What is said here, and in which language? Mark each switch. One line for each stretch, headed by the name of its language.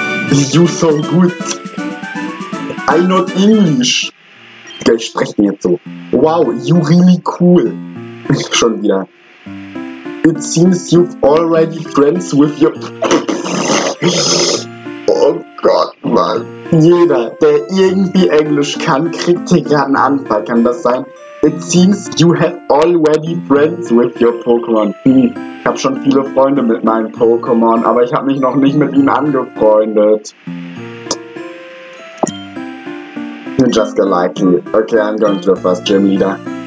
English: You so good. I not English.
German: Ich spreche jetzt so.
English: Wow, you really cool.
German: Schon wieder.
English: It seems you've already friends with your.
German: Oh Gott, Mann. Jeder, der irgendwie Englisch kann, kriegt hier gerade einen Anfall. Kann das sein?
English: It seems you have already friends with your Pokémon.
German: Ich habe schon viele Freunde mit meinen Pokémon, aber ich habe mich noch nicht mit ihnen angefreundet.
English: You just got lucky. Okay, I'm going to the first gym leader.